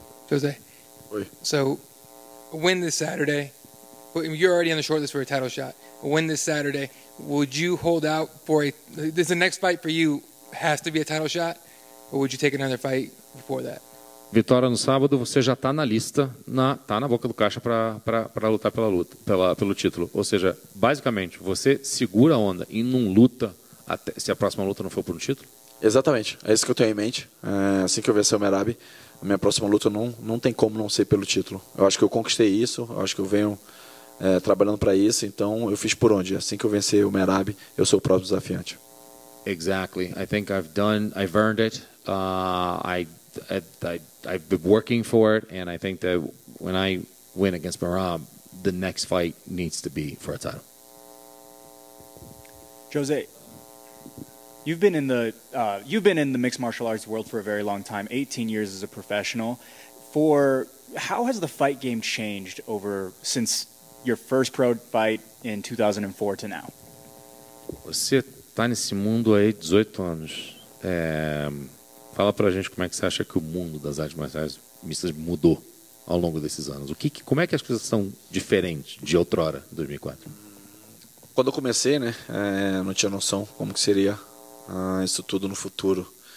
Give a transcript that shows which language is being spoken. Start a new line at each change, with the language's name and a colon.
Portuguese: Jose. Oi.
English: So, win this Saturday. You're already on the shortlist for a title shot. Win this Saturday. Would you hold out for the next fight for you has to be a title shot, or would you take another fight before that?
Portuguese: Vitória no sábado, você já está na lista, está na boca do caixa para lutar pela luta, pelo título. Ou seja, basicamente, você segura a onda e não luta até, se a próxima luta não for por um título? Exatamente, é isso que eu tenho em mente. É, assim que eu vencer o Merab, a minha próxima luta não tem como não ser pelo título. Eu acho que eu conquistei isso, eu acho que eu venho trabalhando para isso, então eu fiz por onde. Assim que eu vencer o Merab, eu sou o próprio desafiante.
English: Exactly, I think I've earned it, I've been working for it, and I think that when I win against Merab, the next fight needs to be for a title. Jose, you've been in the mixed martial arts world for a very long time, 18 years as a professional. For how has the fight game changed over since your first pro fight in 2004 to now?
Portuguese: Você tá nesse mundo aí 18 anos. Fala pra gente como é que você acha que o mundo das artes marciais mistas mudou ao longo desses anos. Como é que as coisas são diferentes de outrora, 2004? Quando eu comecei, né, não tinha noção como que seria isso tudo no futuro.